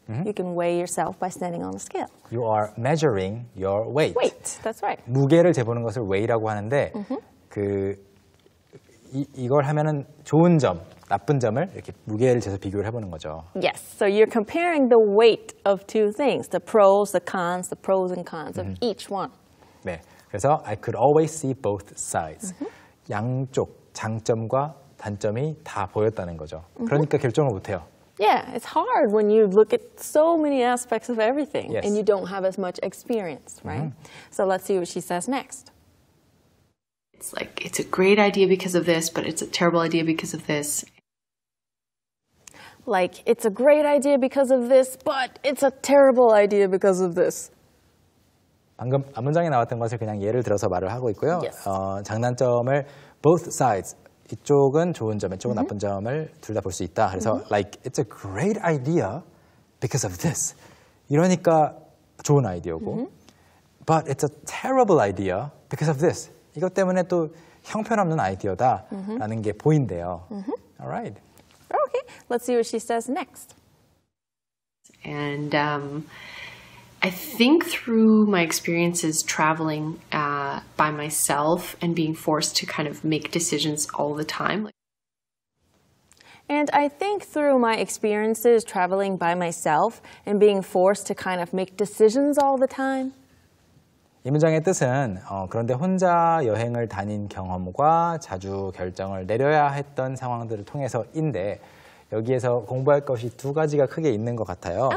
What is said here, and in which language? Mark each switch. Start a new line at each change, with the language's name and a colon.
English: You can weigh yourself by standing on a scale. You are measuring your weight. Weight. That's right.
Korean: 무게를 재보는 것을 weigh라고 하는데 그 이걸 하면은 좋은 점, 나쁜 점을 이렇게 무게를 재서 비교를 해보는 거죠.
English: Yes. So you're comparing the weight of two things, the pros, the cons, the pros and cons of each one.
Korean: 네. 그래서
English: I could always see both sides.
Korean: 양쪽 장점과 단점이 다 보였다는 거죠. 그러니까 결정을 못해요.
English: Yeah, it's hard when you look at so many aspects of everything yes. and you don't have as much experience, right? So let's see what she says next. It's like, it's a great idea because of this, but it's a terrible idea because of this. Like, it's a great idea because of this, but it's a terrible idea because of this.
Korean: 방금 앞 문장에 나왔던 것을 그냥 예를 들어서 말을 하고 있고요.
English: Yes.
Korean: 장단점을
English: both sides.
Korean: 이쪽은 좋은 점, 이쪽은 나쁜 점을 둘 다 볼 수 있다. 그래서
English: like it's a great idea because of this.
Korean: 이러니까 좋은 아이디어고
English: but it's a terrible idea because of this.
Korean: 이것 때문에 또 형편없는 아이디어다라는 게 보인대요.
English: All right. Okay. Let's see what she says next. And I think through my experiences traveling by myself and being forced to kind of make decisions all the time. And I think through my experiences traveling by myself and being forced to kind of make decisions all the time.
Korean: 이 문장의 뜻은 그런데 혼자 여행을 다닌 경험과 자주 결정을 내려야 했던 상황들을 통해서인데 여기에서 공부할 것이 두 가지가 크게 있는 것 같아요.